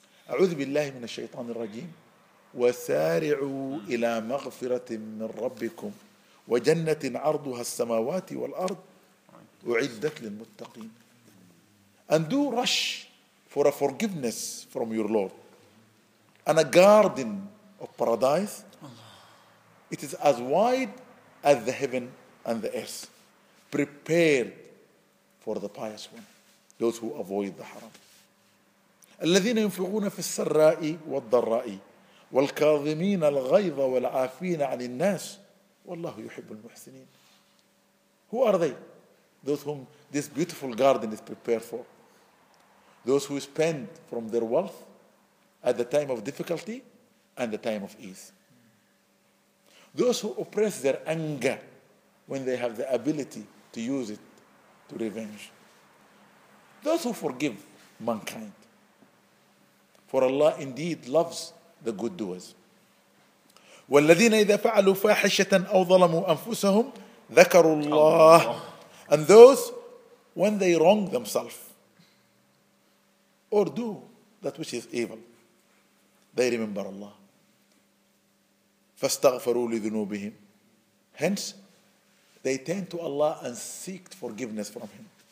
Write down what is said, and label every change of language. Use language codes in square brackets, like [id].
[ar] أعوذ بالله من الشيطان الرجيم. وسارعوا إلى مغفرة من ربكم وجنة عرضها السماوات والأرض أعدت للمتقين. [en] And do rush for a forgiveness from your Lord and a garden of paradise. It is as wide as the heaven and the earth, prepared for the pious one, those who avoid the haram. [ar] الذين ينفقون في السراء والضراء والكاظمين الغيظ والعافين عن الناس والله يحب المحسنين. [en] Who are they? Those whom this beautiful garden is prepared for. Those who spend from their wealth at the time of difficulty and the time of ease. Those who oppress their anger when they have the ability to use it to revenge. Those who forgive mankind. For Allah indeed loves the good doers. [ar] والذين إذا فعلوا فاحشة أو ظلموا أنفسهم ذكروا الله. [en] And those when they wrong themselves or do that which is evil, they remember Allah. [ar] فاستغفروا لذنوبهم. [en] Hence, they turn to Allah and seek forgiveness from Him.